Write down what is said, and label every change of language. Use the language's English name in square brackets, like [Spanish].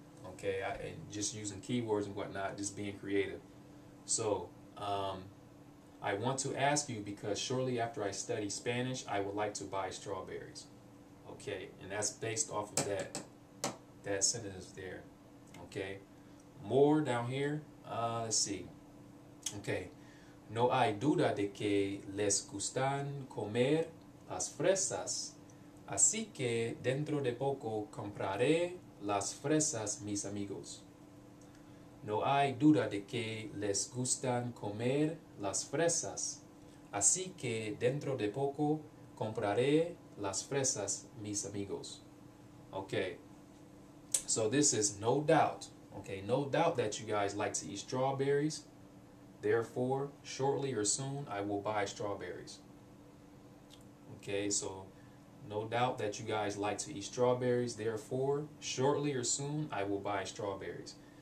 [English] Okay, and just using keywords and whatnot, just being creative. So, I want to ask you because shortly after I study Spanish, I would like to buy strawberries. Okay, and that's based off of that sentence there. Okay, more down here. Let's see. [Spanish] Okay, no hay duda de que les gustan comer las fresas. Así que dentro de poco compraré las fresas, mis amigos. No hay duda de que les gustan comer las fresas. Así que dentro de poco compraré las fresas, mis amigos. [English] Okay. So this is no doubt. Okay, no doubt that you guys like to eat strawberries. Therefore, shortly or soon, I will buy strawberries. Okay, so no doubt that you guys like to eat strawberries. Therefore, shortly or soon, I will buy strawberries.